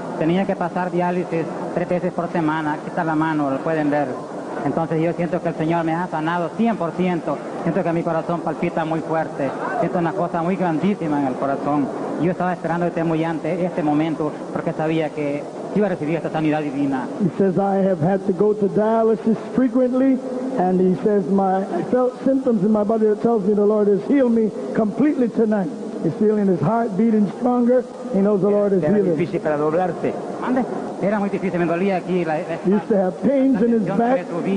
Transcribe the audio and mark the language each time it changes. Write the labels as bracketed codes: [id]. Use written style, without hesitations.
[es] Tenía que pasar diálisis 3 veces por semana. Aquí está la mano, lo pueden ver. Entonces yo siento que el Señor me ha sanado 100%. Siento que mi corazón palpita muy fuerte. Siento una cosa muy grandísima en el corazón. Yo estaba esperando este momento porque sabía que iba a recibir esta sanidad divina. [en] He says, I have had to go to dialysis frequently. And he says, I felt symptoms in my body that tells me the Lord has healed me completely tonight. He's feeling his heart beating stronger. He knows the Lord is healing. [es] Era difícil para doblarse. Era muy difícil, me dolía aquí. [en] He used to have pains in his back.